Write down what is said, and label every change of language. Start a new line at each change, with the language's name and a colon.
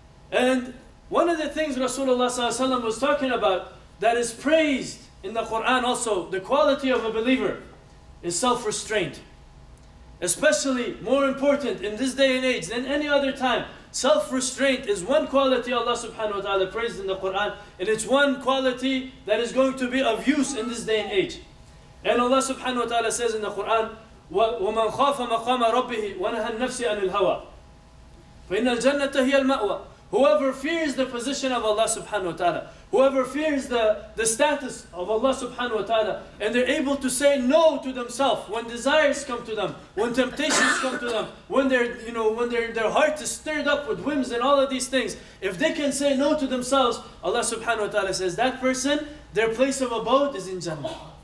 English: And one of the things Rasulullah ﷺ was talking about that is praised in the Quran also, the quality of a believer, is self-restraint. Especially more important in this day and age than any other time, self-restraint is one quality Allah subhanahu wa ta'ala praised in the Quran, and it's one quality that is going to be of use in this day and age. And Allah subhanahu wa ta'ala says in the Quran,
Arabic: وَمَنْ خَافَ مَقَامَ رَبِّهِ وَنَهَى النَّفْسِ عَنِ الْهَوَىٰ فَإِنَّ الْجَنَّةَ هِيَ الْمَأْوَىٰ.
English: Whoever fears the position of Allah subhanahu wa ta'ala, whoever fears the status of Allah subhanahu wa ta'ala, and they're able to say no to themselves when desires come to them, when temptations come to them, when they're, you know, when their heart is stirred up with whims and all of these things, if they can say no to themselves, Allah subhanahu wa ta'ala says that person, their place of abode is in Jannah.